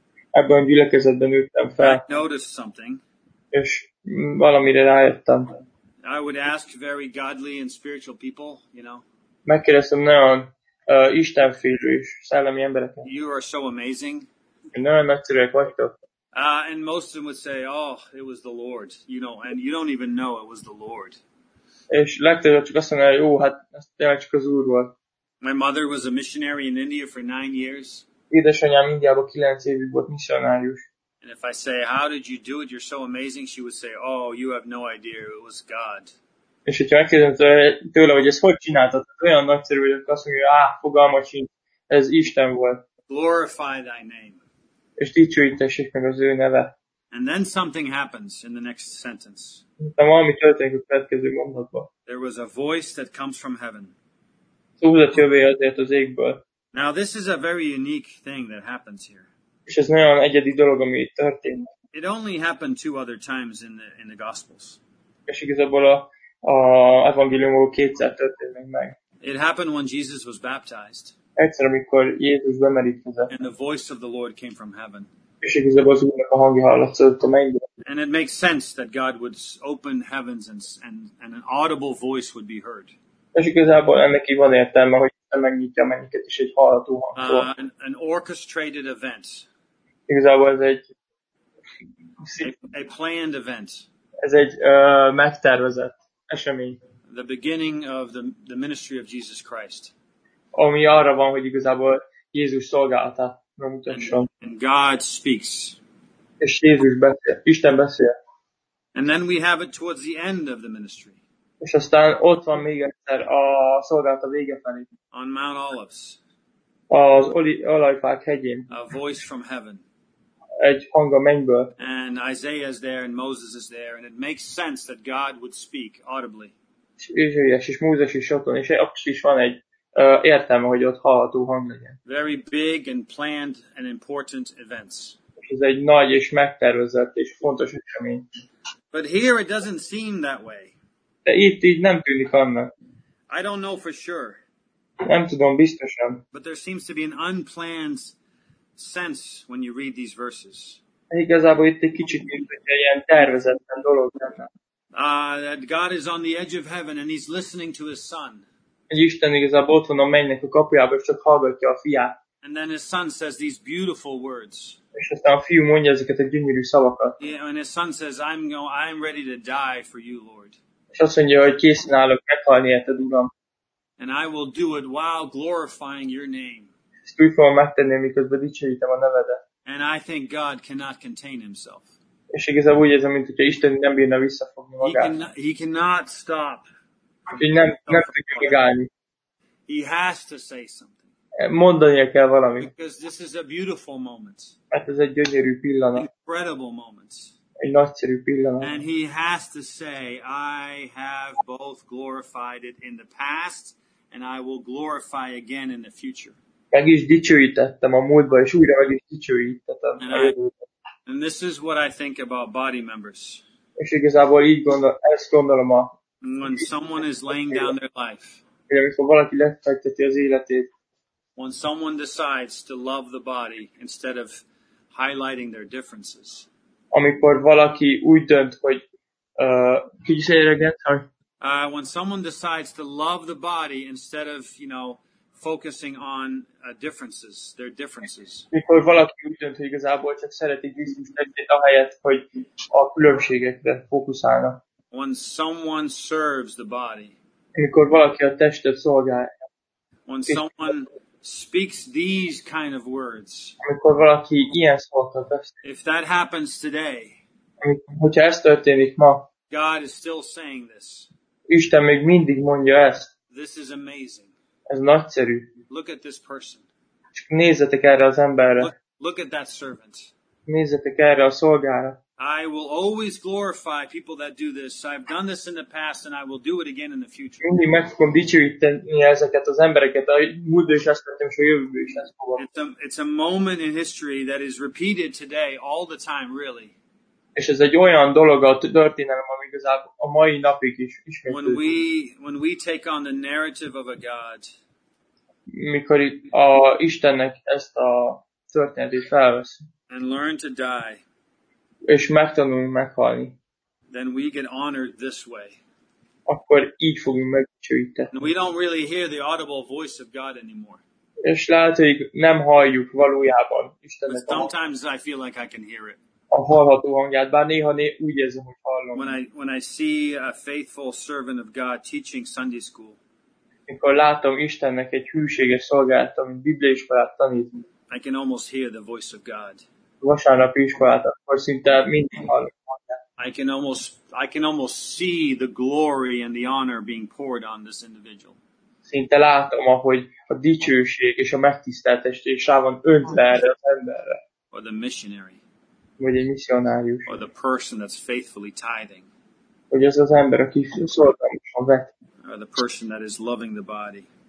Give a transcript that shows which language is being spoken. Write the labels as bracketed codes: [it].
[hu] Ebben a gyülekezetben nőttem fel. [en] I noticed something. [hu] És valamire rájöttem. [en] I would ask very godly and spiritual people, you know. [hu] Megkérdeztem nagyon istenfélő és szellemi embereket. [en] You are so amazing. [hu] Nagyon nagyszerűek vagytok. [en] And most of them would say, oh, it was the Lord, you know, and you don't even know it was the Lord. [hu] És legtöbb csak azt mondja, jó, hát ez tényleg csak az Úr volt. [en] My mother was a missionary in India for 9 years. [hu] Édesanyám Indiában 9 évig volt missionárius. [en] And if I say, how did you do it? You're so amazing. She would say, oh, you have no idea. It was God. [hu] És hogyha megkérdezem tőle, hogy ezt hogy csináltad, olyan nagyszerű, hogy azt mondja, fogalma sincs, ez Isten volt. [en] Glorify thy name. [hu] És dicsőítessék meg az ő neve. [en] And then something happens in the next sentence. [hu] Valami történik a következő mondatban. [en] There was a voice that comes from heaven. [hu] Szóval jövő azért az égből. [en] Now this is a very unique thing that happens here. [hu] És ez nagyon egyedi dolog, ami itt történt. [en] It only happened 2 other times in the Gospels. [hu] És igazából a evangéliumok 2-szer történnek meg. [en] It happened when Jesus was baptized. [hu] egyszer, amikor Jézus bemerítkezett. [en] And the voice of the Lord came from heaven. [hu] És igazából az Úrnak a hangja hallatszott a mennyben. [en] And it makes sense that God would open heavens and an audible voice would be heard. [hu] És igazából ennek így van értelme, hogy Isten megnyitja a mennyeket is egy hallható hangtól. [en] An orchestrated event. [hu] Igazából ez egy [en] a planned event. [hu] Ez egy megtervezett esemény. [en] The beginning of the ministry of Jesus Christ. [hu] Ami arra van, hogy igazából Jézus szolgálata. [en] And God speaks. [hu] És Jézus beszél. Isten beszél. [en] And then we have it towards the end of the ministry. [hu] És aztán ott van még egyszer a szolgálata vége felé. [en] On Mount Olives. [hu] Az Olajfák hegyén. [en] A voice from heaven. [hu] Egy hang a mennyből. [en] And Isaiah is there and Moses is there and it makes sense that God would speak audibly. [hu] És Mózes is ott van, és akkor is van egy értelme, hogy ott hallható hang legyen. [en] Very big and planned and important events. [hu] Ez egy nagy és megtervezett és fontos esemény. [en] But here it doesn't seem that way. [hu] De itt így nem tűnik annak. [en] I don't know for sure. [hu] Nem tudom biztosan. [en] But there seems to be an unplanned sense when you read these verses. [hu] Igazából itt egy kicsit mint egy ilyen tervezetten dolog lenne. [en] That God is on the edge of heaven and he's listening to his son. [hu] Isten igazából ott van a mennynek a kapujába, és csak hallgatja a fiát. [en] And then his son says these beautiful words. [hu] És aztán a fiú mondja ezeket a gyönyörű szavakat. [en] Yeah, and his son says, I'm ready to die for you, Lord. [hu] És azt mondja, hogy készen állok meghalni, érted, Uram. [en] And I will do it while glorifying your name. [hu] Ezt úgy fogom megtenni, miközben dicsőítem a nevedet. [en] And I think God cannot contain himself. [hu] És igazából úgy érzem, mint hogyha Isten nem bírna visszafogni magát. [en] He cannot stop. [hu] Úgyhogy nem tudja megállni. [en] He has to say something. [hu] Mondania kell valamit. [en] Because this is a beautiful moment. [hu] Hát ez egy gyönyörű pillanat. [en] Incredible moment. [hu] Egy nagyszerű pillanat. [en] And he has to say, I have both glorified it in the past, and I will glorify again in the future. [hu] Meg is dicsőítettem a múltba, és újra meg is dicsőítettem. [en] And this is what I think about body members. [hu] És igazából így gondolom a... [en] When someone is laying down their life. [hu] Igen, amikor valaki lefekteti az életét. [en] When someone decides to love the body instead of highlighting their differences. [hu] Amikor valaki úgy dönt, hogy... [en] Could you say it again? Sorry. When someone decides to love the body instead of, you know, focusing on differences, their differences. [hu] Mikor valaki úgy dönt, hogy igazából csak szereti Krisztus testét, ahelyett, hogy a különbségekre fókuszálna. [en] When someone serves the body. [hu] Mikor valaki a testet szolgálja. [en] When someone speaks these kind of words. [hu] Mikor valaki ilyen szavakat beszél. [en] If that happens today. [hu] Hogyha ez történik ma. [en] God is still saying this. [hu] Isten még mindig mondja ezt. [en] This is amazing. [hu] Ez nagyszerű. [en] Look at this person. [hu] Csak nézzetek erre az emberre. [en] Look at that servant. [hu] Nézzetek erre a szolgára. [en] I will always glorify people that do this. I've done this in the past and I will do it again in the future. [hu] Mindig meg fogom dicsőíteni ezeket az embereket. A múltban is ezt tettem, és a jövőben is ezt fogom. [en] It's a moment in history that is repeated today all the time, really. [hu] És ez egy olyan dolog a történelem, ami igazából a mai napig is ismétlődik. [en] When we take on the narrative of a God, [hu] mikor a Istennek ezt a történetét felveszi, [en] and learn to die, [hu] és megtanulunk meghalni, [en] then we get honored this way. [hu] Akkor így fogunk megdicsőíteni. [en] And we don't really hear the audible voice of God anymore. [hu] És lehet, hogy nem halljuk valójában Istennek. [en] But sometimes I feel like I can hear it. [hu] A hallható hangját, bár néha úgy érzem, hogy hallom. [en] When I see a faithful servant of God teaching Sunday school. [hu] Mikor látom Istennek egy hűséges szolgálat, amit bibliaiskolát tanít. [en] I can almost hear the voice of God. [hu] Vasárnapi iskolát, akkor szinte mindig hallom. [en] I can almost see the glory and the honor being poured on this individual. [hu] Szinte látom, ahogy a dicsőség és a megtiszteltetés rá van öntve erre az emberre. [en] Or the missionary. [hu] Vagy egy misszionárius. [en] Or the person that's faithfully tithing. [hu] Vagy ez az ember, aki szolgálatosan vet. [en] Or the person that is loving the body.